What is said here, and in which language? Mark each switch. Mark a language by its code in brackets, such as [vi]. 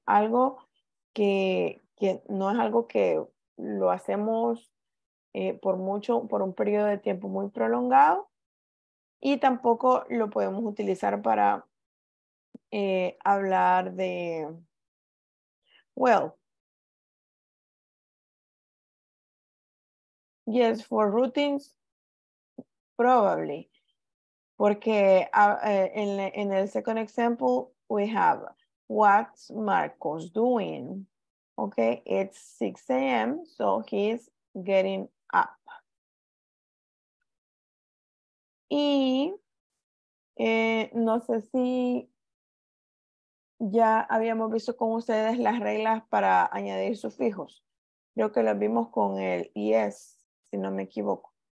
[es] Algo que no es algo que lo hacemos por un periodo de tiempo muy prolongado, y tampoco lo podemos utilizar para hablar de, well, [en] yes, for routines, probably, [es] porque en el [en] second example, we have, what's Marcos doing? Okay, it's 6 a.m., so he's getting up. [es] Y no sé si ya habíamos visto con ustedes las reglas para añadir sufijos. Creo que las vimos con el yes, si no me equivoco.